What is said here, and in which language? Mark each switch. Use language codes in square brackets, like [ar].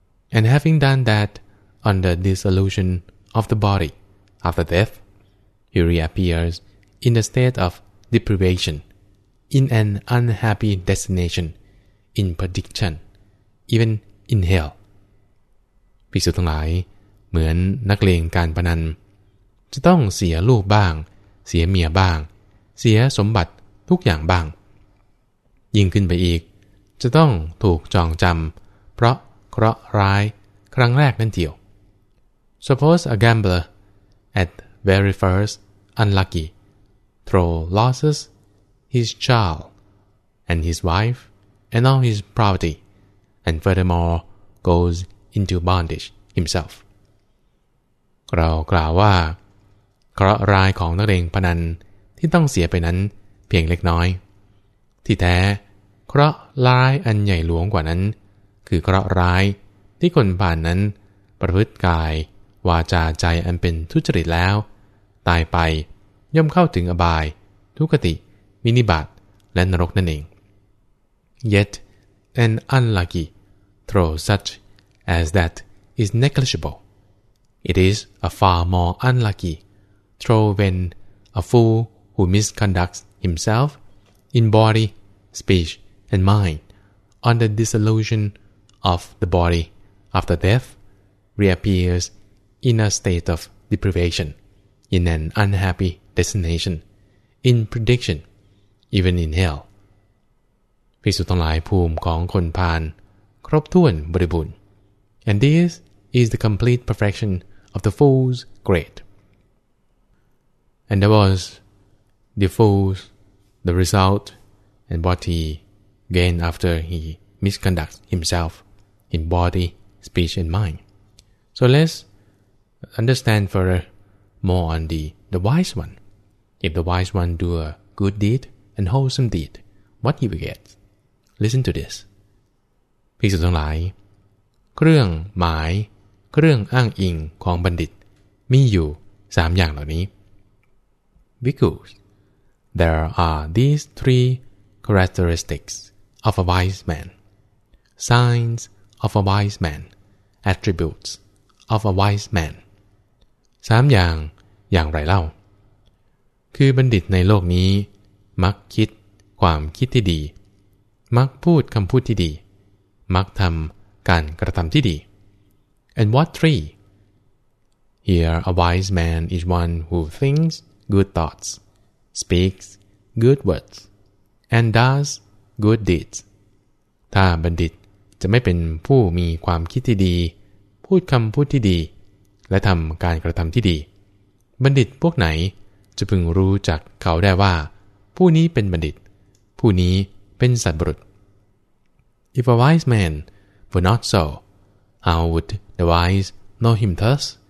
[en] And having done that on the dissolution of the bodyAfter death, he reappears in a state of deprivation, in an unhappy destination, in perdition, even in hell. [th] ภิกษุทั้งหลายเหมือนนักเลงการพนันจะต้องเสียลูกบ้างเสียเมียบ้างเสียสมบัติทุกอย่างบ้างยิ่งขึ้นไปอีกจะต้องถูกจองจำเพราะเคราะห์ร้ายครั้งแรกนั่นเดียว [en] Suppose a gamblerAt very first, unlucky, throw losses, his child, and his wife, and all his property, and furthermore, goes into bondage himself. [th] เรากล่าวว่าเคราะห์ร้ายของนักเลงพนันที่ต้องเสียไปนั้นเพียงเล็กน้อยที่แท้เคราะห์ร้ายอันใหญ่หลวงกว่านั้นคือเคราะห์ร้ายที่คนผ่านนั้นประพฤติกายวาจาใจอันเป็นทุจริตแล้วตายไปย่อมเข้าถึงอบายทุกขติวินิบาตและนรกนั่นเอง [en] Yet an unlucky throw such as that is negligible. It is a far more unlucky throw when a fool who misconducts himself in body, speech, and mind on the dissolution of the body after death reappearsin a state of deprivation, in an unhappy destination, in prediction, even in hell. [th] ภิกษุทั้งหลายภูมิของคนพาลครบถ้วนบริบูรณ์ [en] And this is the complete perfection of the fool's grade. And that was the fool's, the result, and what he gained after he misconducts himself in body, speech, and mind. So let'sUnderstand further more on the wise one. If the wise one do a good deed and wholesome deed, what he will get? Listen to this. [th] ภิกษุทั้งหลายเครื่องหมายเครื่องอ้างอิงของบัณฑิตมีอยู่3อย่างเหล่านี้ [en] Because there are these three characteristics of a wise man. Signs of a wise man. Attributes of a wise man. [th] 3อย่างอย่างไรเล่าคือบัณฑิตในโลกนี้มักคิดความคิดที่ดีมักพูดคำพูดที่ดีมักทำการกระทำที่ดี [en] And what three? Here a wise man is one who thinks good thoughts, speaks good words, and does good deeds. [th] ถ้าบัณฑิตจะไม่เป็นผู้มีความคิดที่ดีพูดคำพูดที่ดีและทำการกระทำที่ดีบัณฑิตพวกไหนจะพึงรู้จักเขาได้ว่าผู้นี้เป็นบัณฑิตผู้นี้เป็นสัตบุรุษ [en] If a wise man were not so, how would the wise know him thus?